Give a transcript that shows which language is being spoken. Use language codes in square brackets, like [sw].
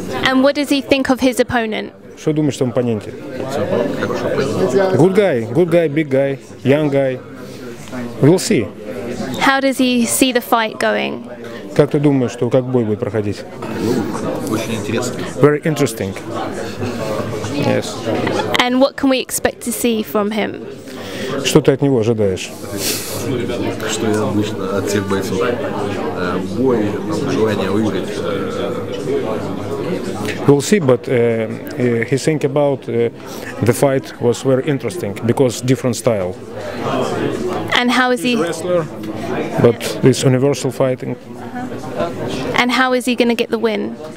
[en] And what does he think of his opponent? [ru] Что думаешь о оппоненте? [en] Good guy, big guy, young guy. We'll see. How does he see the fight going? [ru] Как ты думаешь, что как бой будет проходить? Очень интересно. [en] Very interesting. Yes. And what can we expect to see from him? [ru] Что ты от него ожидаешь? Что я обычно от всех бойцов? Бой, желание выиграть. [en] We'll see, but he think about the fight was very interesting because different style. And how is he's he? A wrestler, but this universal fighting. Uh-huh. And how is he going to get the win?